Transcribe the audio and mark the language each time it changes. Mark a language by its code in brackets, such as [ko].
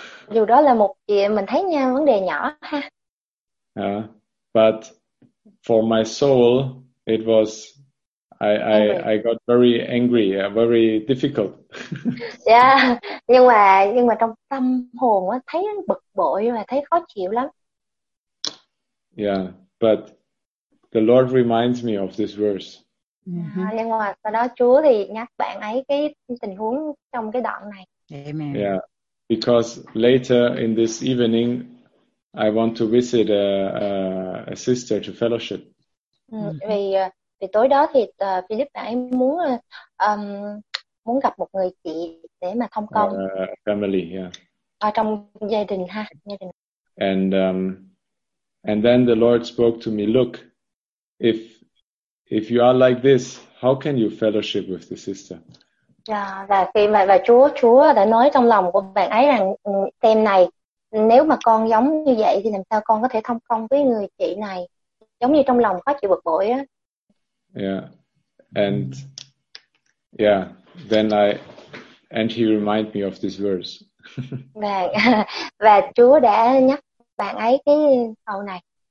[vi] Dù đó là một chuyện mình thấy nha, vấn đề nhỏ ha. [en] But for my soul, it was I got very angry, very difficult. [vi] Yeah, nhưng mà trong tâm hồn á thấy bực bội và thấy khó chịu lắm. [en] Yeah, but the Lord reminds me of this verse. Mm-hmm. [vi] Nhưng mà sau đó Chúa thì nhắc bạn ấy cái tình huống trong cái đoạn này. [en] Amen. Yeah, because later in this evening, I want to visit a sister to fellowship. Mm-hmm. [vi] Vì tối đó thì Philip bạn ấy muốn muốn gặp một người chị để mà thông công. [en] Family, yeah. [vi] Ở trong gia đình ha, gia đình. [en] And then the Lord spoke to me, look, if you are like this, how can you fellowship with the sister? [vi] Và Chúa đã nói trong lòng của bạn ấy rằng xem này, nếu mà con giống như vậy thì làm sao con có thể thông công với người chị này? Giống như trong lòng có chịu bực bội á. [en] Yeah. And yeah, then I and he reminded me of this verse. [vi] Và Chúa đã nhắc bạn ấy cái câu này.